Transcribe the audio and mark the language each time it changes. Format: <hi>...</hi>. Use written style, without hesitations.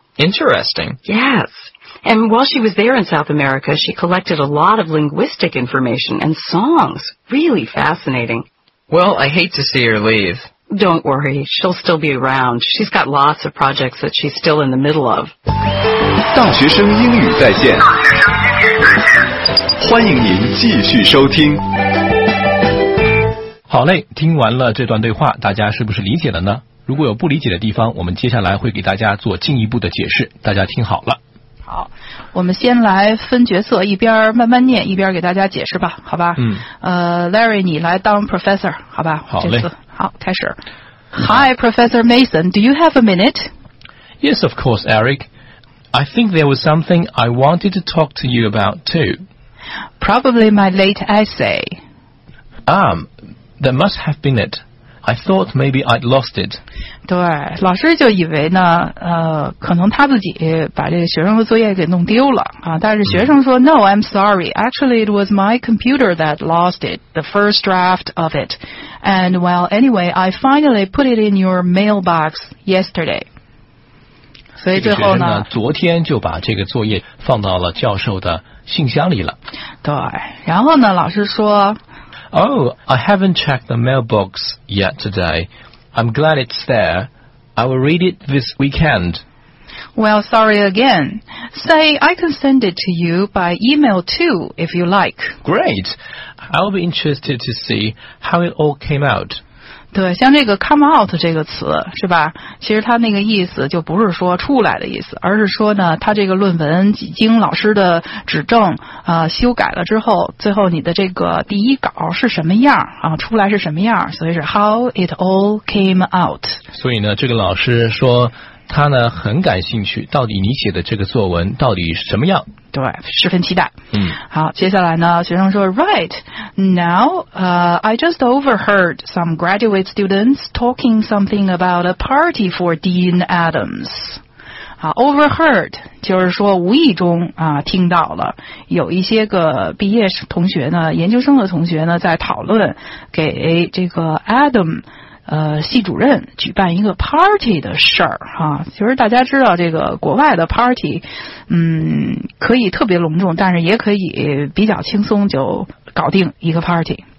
<en>Interesting. Yes. And while she was there in South America, she collected a lot of linguistic information and songs. Really fascinating. Well, I hate to see her leave. Don't worry. She'll still be around. She's got lots of projects that she's still in the middle of.</en> <zh>大学生英语在线，欢迎您继续收听。好嘞，听完了这段对话，大家是不是理解了呢？如果有不理解的地方，我们接下来会给大家做进一步的解释，大家听好了。好，我们先来分角色，一边慢慢念，一边给大家解释吧，好吧？嗯。 Larry， 你来当 Professor， 好吧？好嘞。好，开始。</zh> <en>Hi, Professor Mason. Do you have a minute? Yes, of course, Eric. I think there was something I wanted to talk to you about, too. Probably my late essay. That must have been it. I thought maybe I'd lost it.</en> <zh>对，老师就以为呢，可能他自己把这个学生的作业给弄丢了啊。但是学生说、</zh> <en>No, I'm sorry. Actually, it was my computer that lost it, the first draft of it. And, well, anyway, I finally put it in your mailbox yesterday.</en> <zh>所以最后呢，昨天就把这个作业放到了教授的信箱里了。对，然后呢，老师说</zh> <en>，Oh, I haven't checked the mailbox yet today. I'm glad it's there. I will read it this weekend. Well, sorry again. Say, I can send it to you by email too, if you like. Great. I'll be interested to see how it all came out.</en> <zh>对，像这个 come out 这个词是吧，其实它那个意思就不是说出来的意思，而是说呢它这个论文几经老师的指正修改了之后，最后你的这个第一稿是什么样啊，出来是什么样，所以是</zh> <en>how it all came out。</en> <zh>所以呢这个老师说他呢很感兴趣，到底你写的这个作文到底是什么样，对，十分期待。嗯，好，接下来呢学生说</zh> <en>Right, now, I just overheard some graduate students talking something about a party for Dean Adams.</en> <zh>好， overheard 就是说无意中啊听到了有一些个毕业同学呢，研究生的同学呢，在讨论给这个 Adam系主任举办一个 party 的事儿哈、啊，其实大家知道这个国外的 party， 可以特别隆重，但是也可以比较轻松就搞定一个 party。</zh>